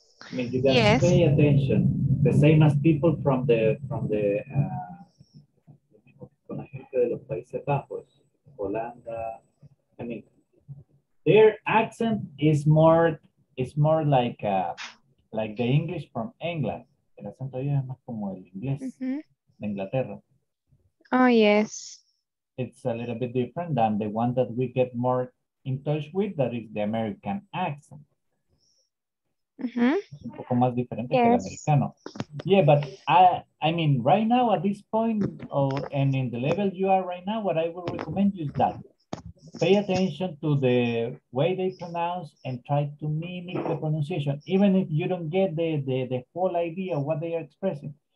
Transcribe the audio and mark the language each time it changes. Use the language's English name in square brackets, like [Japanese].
[English] I mean, you got to pay attention. The same as people Holanda. I mean, their accent is more like the English from England. [Spanish] El acento de ellos es más como el inglés de Inglaterra. [English] Oh, yes. It's a little bit different than the one that we get more in touch with, that is the American accent. [Spanish] Mm-hmm. Un poco más diferente yes. que el americano. [English] Yeah, but I mean, right now at this point and in the level you are right now, what I would recommend you is that. Pay attention to the way they pronounce and try to mimic the pronunciation, even if you don't get the whole idea of what they are expressing.